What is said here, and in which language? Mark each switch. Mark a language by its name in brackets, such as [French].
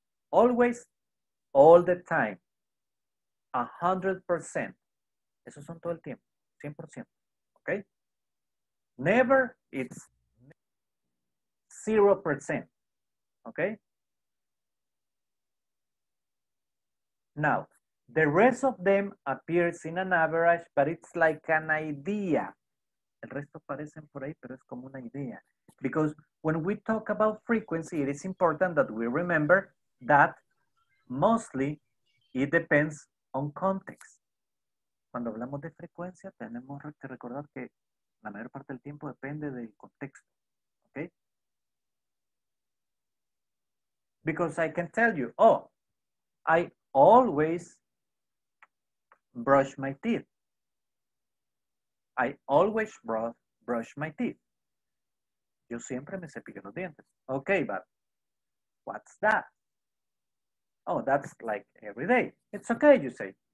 [English] Always, all the time. 100%. [Spanish] Eso son todo el tiempo. [English] 100%. Okay? Never, it's 0%. Okay? Now, the rest of them appears in an average, but it's like an idea. [Spanish] El resto parecen por ahí, pero es como una idea. [English] Because when we talk about frequency, it is important that we remember that mostly it depends on context. [Spanish] Cuando hablamos de frecuencia, tenemos que recordar que la mayor parte del tiempo depende del contexto. [English] Okay? Because I can tell you, oh, I always brush my teeth. I always brush my teeth. [Spanish] Yo siempre me cepillo los dientes. [English] Okay, but what's that? Oh, that's like every day. It's okay, you say.